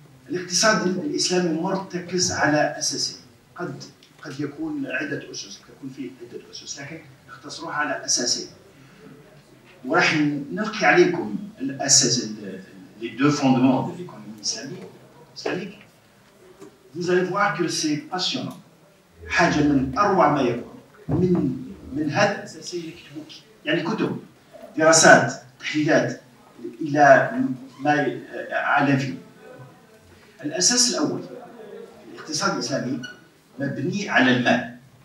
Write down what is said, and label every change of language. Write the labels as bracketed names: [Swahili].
[Arabic] الاقتصاد الإسلامي مرتكز على أساسين، قد يكون عدة أسس، تكون في عدة أسس، لكن اختصروها على أساسين. وراح نلقي عليكم الأساس [French] لي دو فوندمون دو ليكونومي [Arabic] الإسلامي. [French] Vous allez voir que c'est passionnant. [Arabic] حاجة من أروع ما يكون من هذا الأساسين اللي كتبوا يعني كتب دراسات تحليلات إلى ما على فيه. الأساس الأول الاقتصاد الإسلامي مبني على المال.